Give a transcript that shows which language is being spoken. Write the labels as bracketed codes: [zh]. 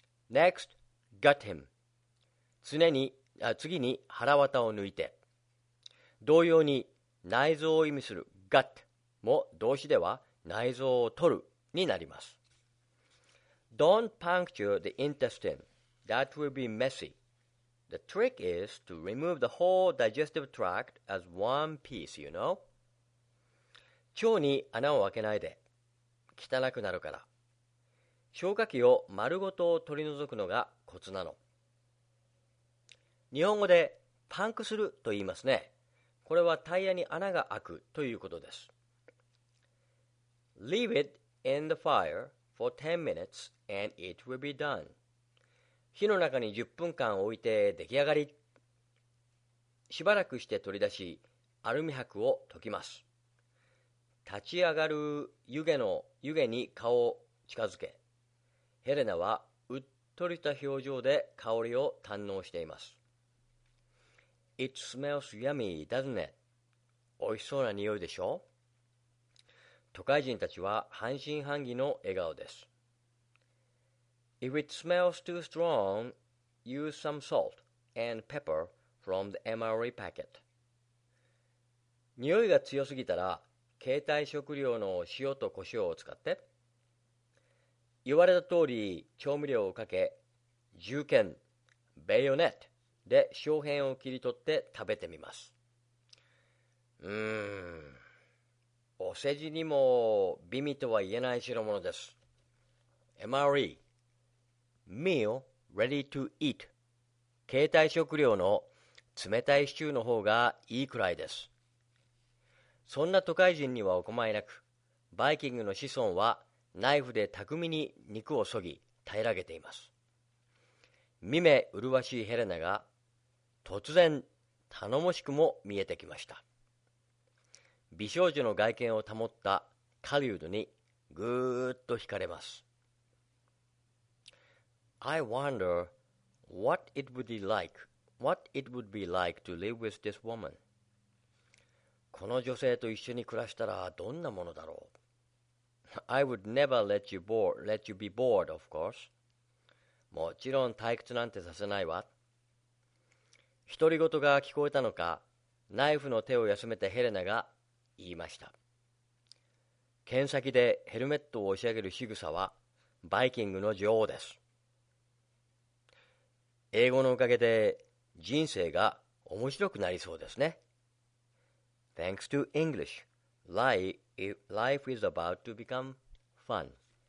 [en] Next, gut him. [ja] 次に腹綿を抜いて。同様に、内臓を意味する gut も、動詞では、内臓を取るになります。 [en] Don't puncture the intestine. That will be messy. The trick is to remove the whole digestive tract as one piece, you know? [ja] 腸に穴を開けないで。汚くなるから。消化器を丸ごと取り除くのがコツなの。日本語でパンクすると言いますね。これはタイヤに穴が開くということです。 [en] Leave it in the fire. For 10 minutes and it will be done. [ja] 火の中に10分間置いて出来上がり。しばらくして取り出し、アルミ箔を溶きます。立ち上がる湯気に顔を近づけ、ヘレナはうっとりした表情で香りを堪能しています。 [en] It smells yummy, doesn't it? [ja] 美味しそうな匂いでしょ?都会人たちは半信半疑の笑顔です。 [en] If it smells too strong, use some salt and pepper from the MRE packet. [ja] 匂いが強すぎたら、携帯食料の塩と胡椒を使って。言われた通り調味料をかけ、銃剣、ベヨネットで小片を切り取って食べてみます。お世辞にも美味とは言えない代物です。 MRE [en] Meal Ready to Eat [ja] 携帯食料の冷たいシチューの方がいいくらいです。そんな都会人にはお構いなく、バイキングの子孫はナイフで巧みに肉をそぎ平らげています。見目麗しいヘレナが突然頼もしくも見えてきました。美少女の外見を保ったカリウドにぐーっと惹かれます。 [en] I wonder what it would be like what it would be like to live with this woman。 [ja] この女性と一緒に暮らしたらどんなものだろう。 [en] I would never let you be bored of course。 [ja] もちろん退屈なんてさせないわ。独り言が聞こえたのか、ナイフの手を休めてヘレナが言いました。剣先でヘルメットを押し上げる仕草はバイキングの女王です。英語のおかげで人生が面白くなりそうですね。 [en] Thanks to English, life is about to become fun.